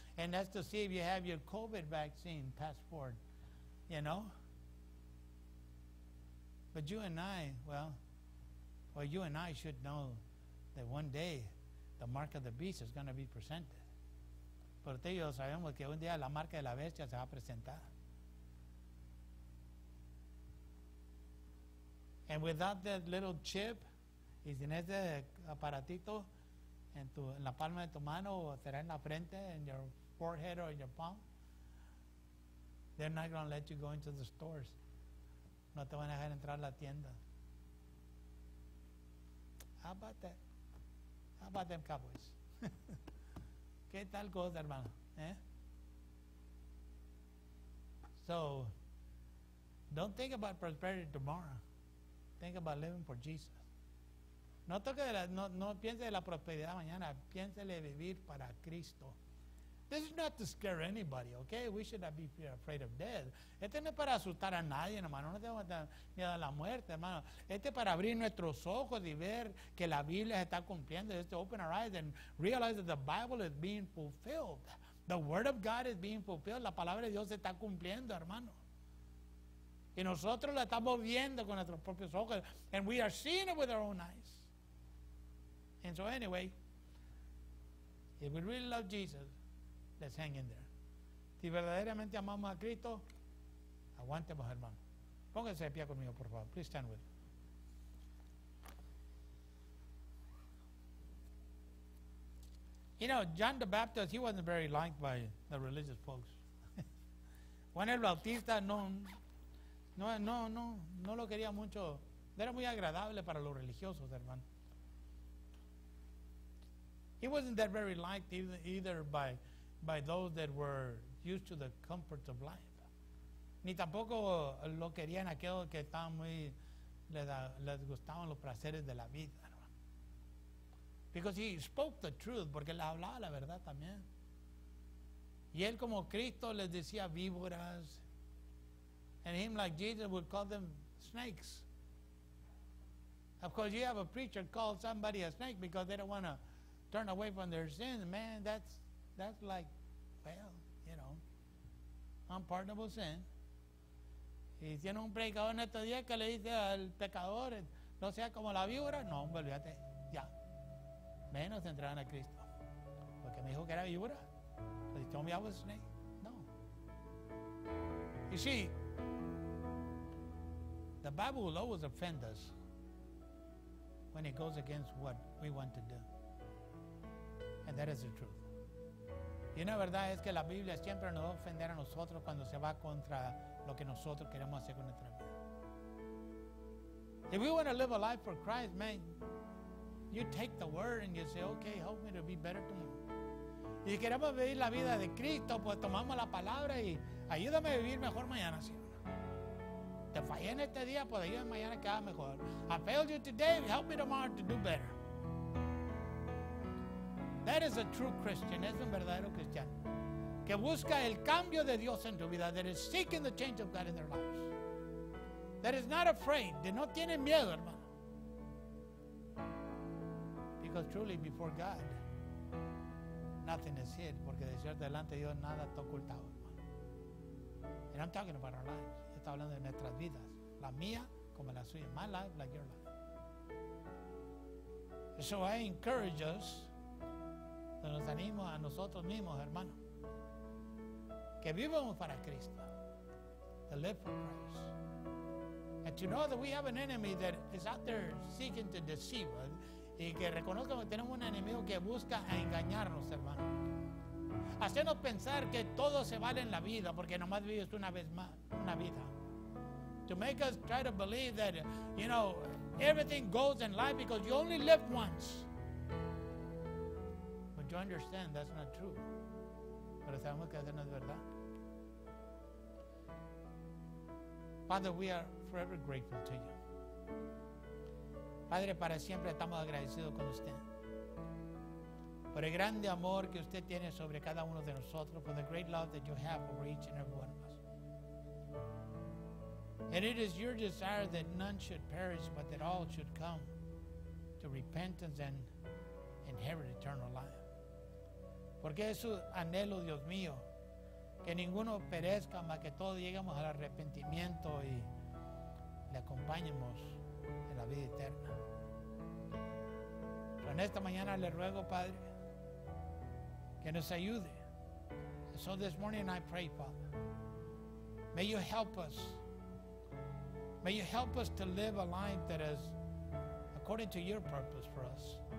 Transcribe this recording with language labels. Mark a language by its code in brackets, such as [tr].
[en] And that's to see if you have your COVID vaccine passport, you know. But you and I, well, you and I should know that one day the mark of the beast is going to be presented. [es] Pero usted y yo sabemos que un día la marca de la bestia se va a presentar. [en] And without that little chip, [es] y sin ese aparatito, en la palma de tu mano o será en la frente, en [en] your forehead or in your palm. They're not going to let you go into the stores. [es] No te van a dejar entrar a la tienda. [en] How about that? How about them cowboys? [es] ¿Qué tal cosa, hermano? ¿Eh? [en] So, don't think about prosperity tomorrow. Think about living for Jesus. [es] No toque de la, no, no piense de la prosperidad mañana. Piénsele vivir para Cristo. [en] This is not to scare anybody, okay? We should not be afraid of death. [es] Este no es para asustar a nadie, hermano. No tenemos miedo a la muerte, hermano. Este es para abrir nuestros ojos y ver que la Biblia se está cumpliendo. [en] Este open our eyes and realize that the Bible is being fulfilled. The Word of God is being fulfilled. [es] La palabra de Dios se está cumpliendo, hermano. Y nosotros la estamos viendo con nuestros propios ojos. [en] And we are seeing it with our own eyes. And so anyway, if we really love Jesus, let's hang in there. [es] Si verdaderamente amamos a Cristo, aguantemos, hermano. Póngase de pie conmigo, por favor. [en] Please stand with me. You know, John the Baptist, he wasn't very liked by the religious folks. [es] Juan el Bautista no lo quería mucho. Era muy agradable para los religiosos, hermano. [en] He wasn't that very liked either by those that were used to the comforts of life. [es] Ni tampoco lo querían aquellos que estaban muy les gustaban los placeres de la vida. [en] Because he spoke the truth, [es] porque les hablaba la verdad también. Y él como Cristo les decía víboras. [en] And him like Jesus would call them snakes. Of course, you have a preacher call somebody a snake because they don't want to turn away from their sins. Man, that's like, well, you know, unpardonable sin. [es] Y tiene un predicador en estos días que le dice al pecador, no sea como la víbora. No, hombre, olvídate, ya. Menos entrarán a Cristo. Porque me dijo que era víbora. [en] He told me I was a snake. [es] No. [en] You see, the Bible will always offend us when it goes against what we want to do. And that is the truth. [es] Y una verdad es que la Biblia siempre nos va a ofender a nosotros cuando se va contra lo que nosotros queremos hacer con nuestra vida. [en] If we want to live a life for Christ, man, you take the word and you say, okay, help me to be better tomorrow. [es] Y si queremos vivir la vida de Cristo, pues tomamos la palabra y ayúdame a vivir mejor mañana, Señor. Te fallé en este día, pues ayúdame mañana que haga mejor. [en] I failed you today, help me tomorrow to do better. That is a true Christian. [es] Es un verdadero cristiano que busca el cambio de Dios en tu vida. [en] That is seeking the change of God in their lives. That is not afraid. That [es] no tiene miedo, hermano. [en] Because truly, before God, nothing is hid. [es] Porque de cierto delante de Dios nada está ocultado, hermano. [en] And I'm talking about our lives. [es] Está hablando de nuestras vidas, la mía como la suya. [en] My life, like your life. So I encourage us. [es] Nos animo a nosotros mismos, hermano, que vivamos para Cristo. [en] To live for Christ. And to know that we have an enemy that is out there seeking to deceive us. [es] Y que reconozcan que tenemos un enemigo que busca a engañarnos, hermano. Hacernos pensar que todo se vale en la vida, porque nomás vives una vez más, una vida. [en] To make us try to believe that, you know, everything goes in life because you only live once. To understand that's not true. [es] Pero sabemos que eso no es verdad. [en] Father, we are forever grateful to you. [es] Padre, para siempre estamos agradecidos con usted. Por el grande amor que usted tiene sobre cada uno de nosotros. [en] For the great love that you have over each and every one of us. And it is your desire that none should perish, but that all should come to repentance and inherit eternal life. [es] Porque es su anhelo, Dios mío, que ninguno perezca, más que todos lleguemos al arrepentimiento y le acompañemos en la vida eterna. Pero en esta mañana le ruego, Padre, que nos ayude. [en] So this morning I pray, Father, may you help us. May you help us to live a life that is according to your purpose for us.